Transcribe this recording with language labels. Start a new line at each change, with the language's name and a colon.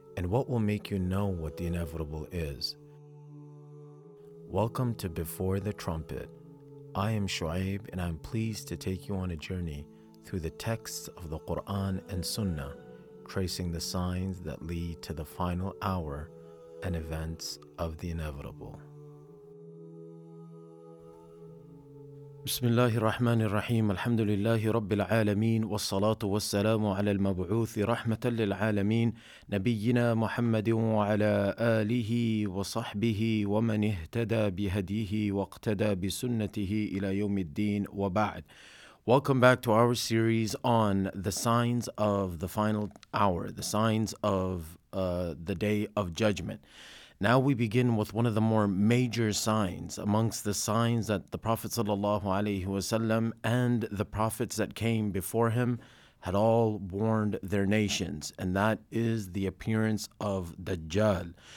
English: And what will make you know what the inevitable is?" Welcome to Before the Trumpet. I am Shu'aib and I'm pleased to take you on a journey through the texts of the Quran and Sunnah, tracing the signs that lead to the final hour and events of the inevitable.
Arabic: بسم الله الرحمن الرحيم الحمد لله رب العالمين والصلاة والسلام على المبعوث رحمة للعالمين نبينا محمد وعلى آله وصحبه ومن اهتدى بهديه واقتدى بسنته إلى يوم الدين وبعد.
English: Welcome back to our series on the signs of the final hour, the signs of the day of judgment. Now we begin with one of the more major signs amongst the signs that the Prophet ﷺ and the prophets that came before him had all warned their nations, and that is the appearance of Dajjal.